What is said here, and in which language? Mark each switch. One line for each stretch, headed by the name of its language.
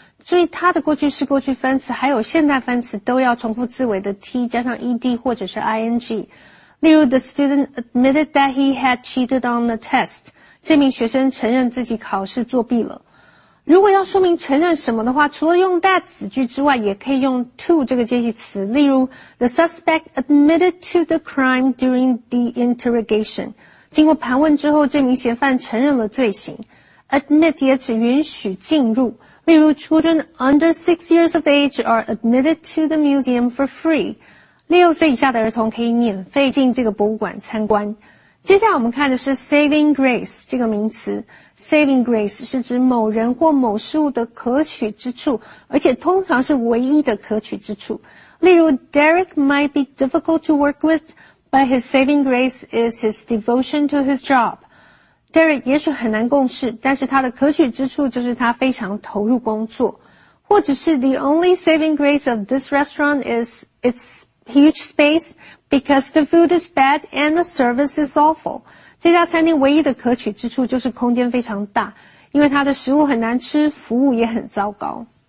Chinese: 注意它的过去式过去分词还有现代分词都要重复字尾的 t 加上 ed 或者是 ing。
English: 例如 the student admitted that he had cheated on the test.
Chinese: 这名学生承认自己考试作弊了。如果要说明承认什么的话除了用 that 子句之外也可以用 to 这个介系词。
English: 例如 the suspect admitted to the crime during the interrogation.
Chinese: 经过盘问之后这名嫌犯承认了罪行。
English: admit
Chinese: 也指允许进入。例如
English: children under 6 years of age are admitted to the museum for free.
Chinese: 6岁以下的儿童可以免费进这个博物馆参观。接下来我们看的是 saving grace 这个名词。saving grace 是指某人或某事物的可取之处而且通常是唯一的可取之处。
English: 例如 Derek might be difficult to work with,But his saving grace is his devotion to his job.
Chinese: Derek 也许很难共事,但是他的可取之处就是他非常投入工作。或者是
English: the only saving grace of this restaurant is its huge space because the food is bad and the service is awful.
Chinese: 这家餐厅唯一的可取之处就是空间非常大,因为他的食物很难吃,服务也很糟糕。